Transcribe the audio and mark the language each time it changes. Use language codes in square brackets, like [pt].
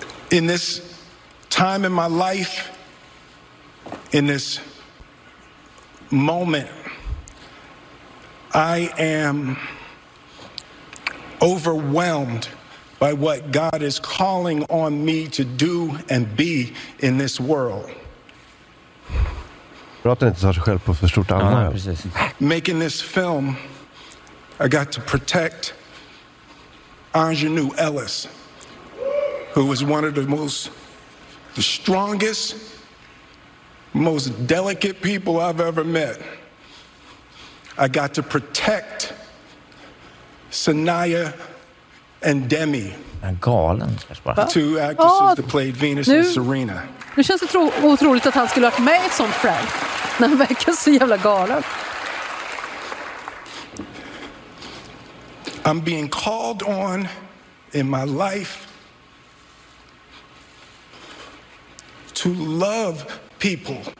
[en] In this time in my life, in this moment, I am overwhelmed by what God is calling on me to do and be in this world. [sv] Pratar inte så här själv på för stort allvar. [en] Making this film, I got to protect Ingenue Ellis, who was one of the strongest, most delicate people I've ever met. I got to protect Sanaa and Demi. [sv] Galen. [en] Two actresses that played Venus and Serena. [sv] Nu känns det otroligt att han skulle ha varit med i ett sånt fräck. När han verkar så jävla galen. [en] I'm being called on in my life to love people.